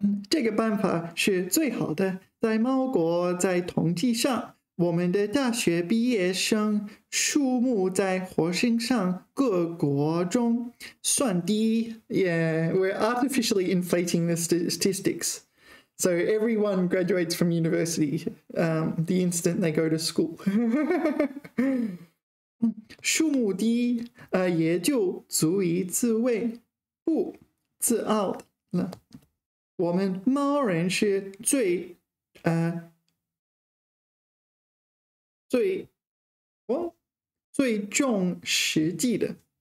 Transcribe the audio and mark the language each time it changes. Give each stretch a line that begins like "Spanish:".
Chinese: 这个办法是最好的，在猫国，在统计上。我们的大学毕业生数目在火星上各国中算低。
English: Yeah, we're artificially inflating the statistics. So everyone graduates from university, the instant they go to school.
Chinese: 数目低，也就足以自慰，不自傲了。我们猫人是最，最重实际的。